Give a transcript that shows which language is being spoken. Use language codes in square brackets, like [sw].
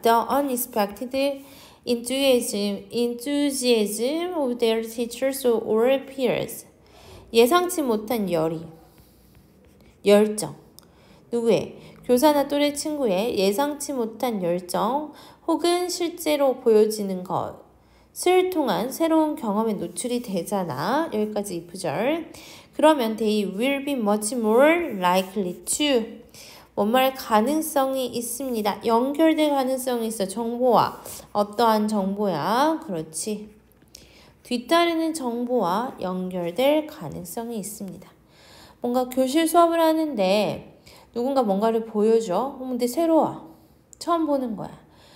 [en] the unexpected enthusiasm of their teachers or peers. [ko] 예상치 못한 열이. 열정. 누구의? 교사나 또래 친구의 예상치 못한 열정 혹은 실제로 보여지는 것을 통한 새로운 경험에 노출이 되잖아. 여기까지 이 구절. [en] 그러면 they will be much more likely to. [ko] 뭔말 가능성이 있습니다. 연결될 가능성이 있어. 정보와. 어떠한 정보야? 그렇지. 뒤따르는 정보와 연결될 가능성이 있습니다. 뭔가 교실 수업을 하는데 누군가 뭔가를 보여줘. 근데 새로워. 처음 보는 거야.